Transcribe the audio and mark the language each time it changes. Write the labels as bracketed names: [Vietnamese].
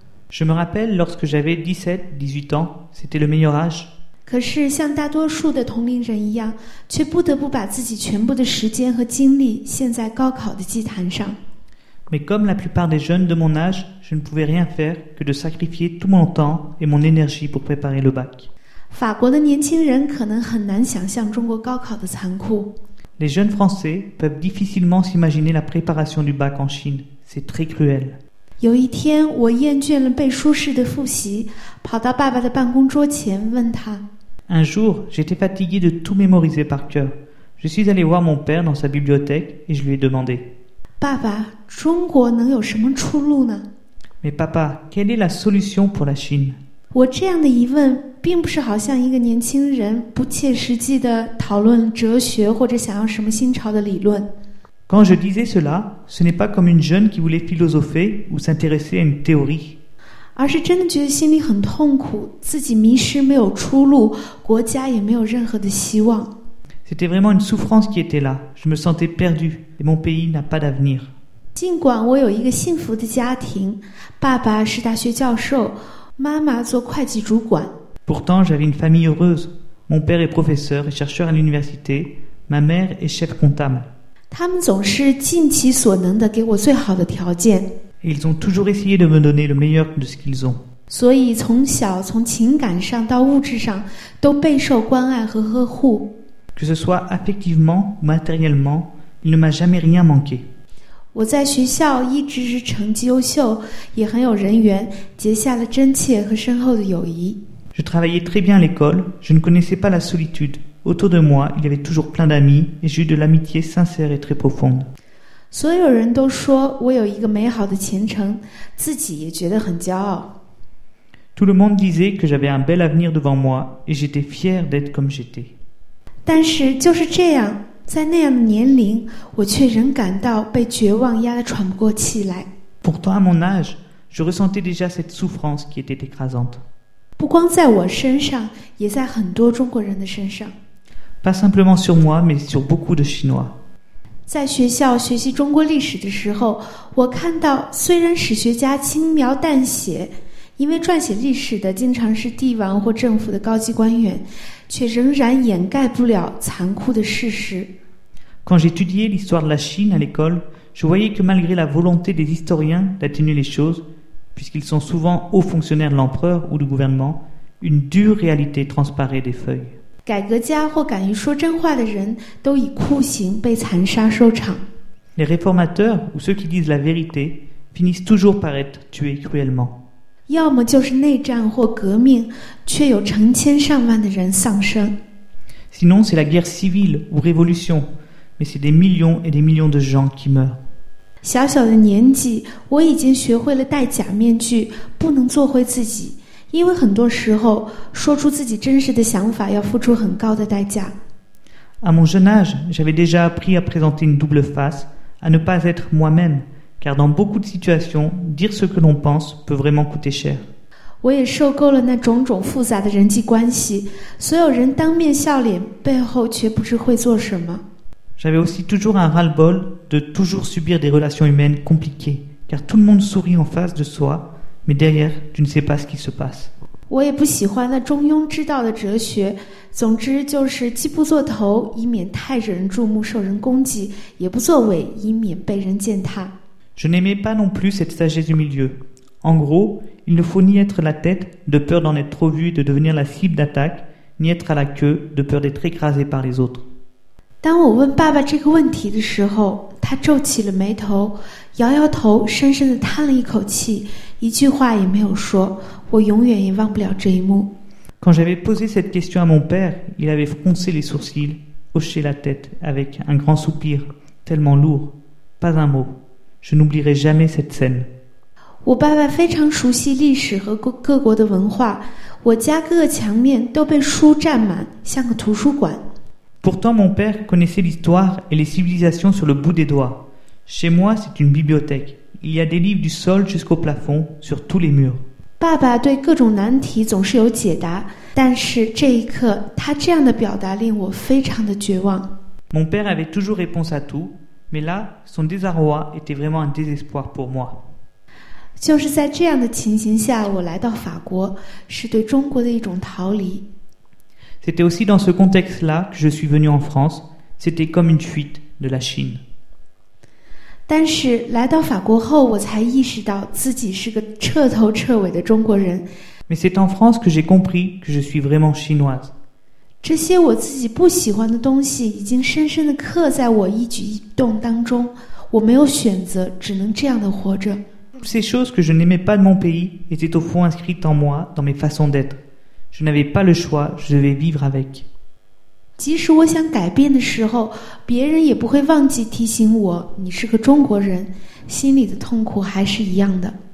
[French] Je me rappelle lorsque j'avais 17-18 ans, c'était le meilleur âge. [Chinese] 可是像大多数的同龄人一样，却不得不把自己全部的时间和精力献在高考的祭坛上。 [French] Mais comme la plupart des jeunes de mon âge, je ne pouvais rien faire que de sacrifier tout mon temps et mon énergie pour préparer le bac. [Chinese] 法国的年轻人可能很难想象中国高考的残酷。 [French] Les jeunes Français peuvent difficilement s'imaginer la préparation du bac en Chine. C'est très cruel. [Chinese] 有一天，我厌倦了背书式的复习，跑到爸爸的办公桌前问他。 [French] Un jour, j'étais fatigué de tout mémoriser par cœur. Je suis allé voir mon père dans sa bibliothèque et je lui ai demandé. [Chinese] 爸爸，中国能有什么出路呢？ [French] Mais papa, quelle est la solution pour la Chine? [Chinese] 我这样的疑问并不是好像一个年轻人不切实际地讨论哲学或者想要什么新潮的理论。 [French] Quand je disais cela, ce n'est pas comme une jeune qui voulait philosopher ou s'intéresser à une théorie. [Chinese] 而是真的觉得心里很痛苦，自己迷失，没有出路，国家也没有任何的希望。 [French] C'était vraiment une souffrance qui était là. Je me sentais perdu et mon pays n'a pas d'avenir. [Chinese] 尽管我有一个幸福的家庭，爸爸是大学教授，妈妈做会计主管。 [French] Pourtant, j'avais une famille heureuse. Mon père est professeur et chercheur à l'université. Ma mère est chef comptable. [Chinese] 他们总是尽其所能地给我最好的条件。 [French] Et ils ont toujours essayé de me donner le meilleur de ce qu'ils ont. [Chinese] 所以从小从情感上到物质上都备受关爱和呵护。 [French] Que ce soit affectivement ou matériellement, il ne m'a jamais rien manqué. [Chinese] 我在学校一直是成绩优秀，也很有人缘，结下了真切和深厚的友谊。 [French] Je travaillais très bien à l'école, je ne connaissais pas la solitude. Autour de moi, il y avait toujours plein d'amis et j'ai eu de l'amitié sincère et très profonde. [Chinese] 所有人都说我有一个美好的前程，自己也觉得很骄傲。 [French] Tout le monde disait que j'avais un bel avenir devant moi et j'étais fier d'être comme j'étais. [Chinese] 但是就是这样，在那样的年龄，我却仍感到被绝望压得喘不过气来。 [French] Pourtant, à mon âge, je ressentais déjà cette souffrance qui était écrasante. [Chinese] 不光在我身上，也在很多中国人的身上。 [French] Pas simplement sur moi, mais sur beaucoup de Chinois. [Chinese] 在学校学习中国历史的时候，我看到虽然史学家轻描淡写，因为撰写历史的经常是帝王或政府的高级官员，却仍然掩盖不了残酷的事实。 [French] Quand j'étudiais l'histoire de la Chine à l'école, je voyais que malgré la volonté des historiens d'atténuer les choses,puisqu'ils sont souvent hauts fonctionnaires de l'empereur ou du gouvernement, une dure réalité transparaît des feuilles. [Chinese] 改革家或敢于说真话的人都以酷刑被残杀收场。 [French] Les réformateurs ou ceux qui disent la vérité finissent toujours par être tués cruellement. [Chinese] 要么就是内战或革命，却有成千上万的人丧生。 [French] Sinon, c'est la guerre civile ou révolution, mais c'est des millions et des millions de gens qui meurent. [Chinese] 小小的年纪，我已经学会了戴假面具，不能做回自己，因为很多时候说出自己真实的想法要付出很高的代价。 [French] À mon jeune âge, j'avais déjà appris à présenter une double face, à ne pas être moi-même, car dans beaucoup de situations, dire ce que l'on pense peut vraiment coûter cher. [Chinese] 我也受够了那种种复杂的人际关系，所有人当面笑脸，背后却不知会做什么。 [French] J'avais aussi toujours un ras-le-bol de toujours subir des relations humaines compliquées, car tout le monde sourit en face de soi, mais derrière, tu ne sais pas ce qui se passe. [Chinese] 我也不喜欢那中庸之道的哲学，总之就是既不做头，以免太惹人注目受人攻击，也不做尾，以免被人践踏。 [French] Je n'aimais pas non plus cette sagesse du milieu. En gros, il ne faut ni être la tête, de peur d'en être trop vu, de devenir la cible d'attaque, ni être à la queue, de peur d'être écrasé par les autres. [Chinese] 当我问爸爸这个问题的时候，他皱起了眉头，摇摇头，深深地叹了一口气，一句话也没有说。我永远也忘不了这一幕。 [French] Quand j'avais posé cette question à mon père, il avait froncé les sourcils, hoché la tête avec un grand soupir, tellement lourd, pas un mot. Je n'oublierai jamais cette scène. [Chinese] 我爸爸非常熟悉历史和各国的文化，我家各个墙面都被书占满，像个图书馆。 [French] Pourtant, mon père connaissait l'histoire et les civilisations sur le bout des doigts. Chez moi, c'est une bibliothèque. Il y a des livres du sol jusqu'au plafond, sur tous les murs. [Chinese] 爸爸对各种难题总是有解答，但是这一刻，他这样的表达令我非常的绝望。 [French] Mon père avait toujours réponse à tout. Mais là, son désarroi était vraiment un désespoir pour moi. [Chinese] 就是在这样的情形下，我来到法国，是对中国的一种逃离。 [French] C'était aussi dans ce contexte-là que je suis venu en France. C'était comme une fuite de la Chine. [Chinese] 但是来到法国后，我才意识到自己是个彻头彻尾的中国人。 [French] Mais c'est en France que j'ai compris que je suis vraiment chinoise. [Chinese] 这些我自己不喜欢的东西已经深深地刻在我一举一动当中，我没有选择，只能这样的活着。 [French] Ces choses que je n'aimais pas de mon pays étaient au fond inscrites en moi, dans mes façons d'être. Je n'avais pas le choix, je devais vivre avec. [Chinese] 即使我想改变的时候，别人也不会忘记提醒我，你是个中国人，心里的痛苦还是一样的。